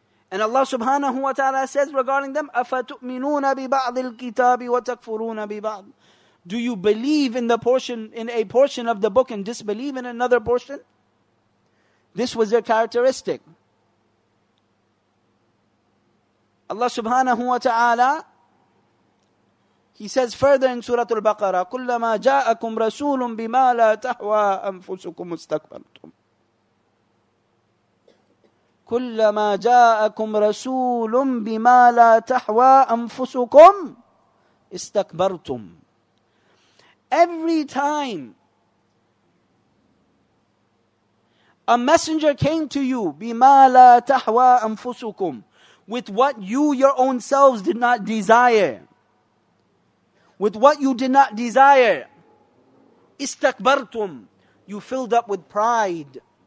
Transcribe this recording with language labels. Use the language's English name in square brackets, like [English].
[English] And Allah subhanahu wa ta'ala says regarding them, [Arabic] أَفَتُؤْمِنُونَ بِبَعْضِ الْكِتَابِ وَتَكْفُرُونَ بِبَعْضِ. [English] Do you believe in the portion, in a portion of the book and disbelieve in another portion? This was their characteristic. Allah subhanahu wa ta'ala, He says further in Surah Al-Baqarah, [Arabic] كُلَّمَا جَاءَكُمْ رَسُولٌ بِمَا لَا تَحْوَى أَنفُسُكُمْ اسْتَكْبَرْتُمْ كُلَّمَا جَاءَكُمْ رَسُولٌ بِمَا لَا تَحْوَى أَنفُسُكُمْ اسْتَكْبَرْتُمْ. [English] Every time a messenger came to you, [Arabic] بِمَا لَا تَحْوَى أَنفُسُكُمْ, [English] with what you, your own selves, did not desire, with what you did not desire, istakbartum, you filled up with pride.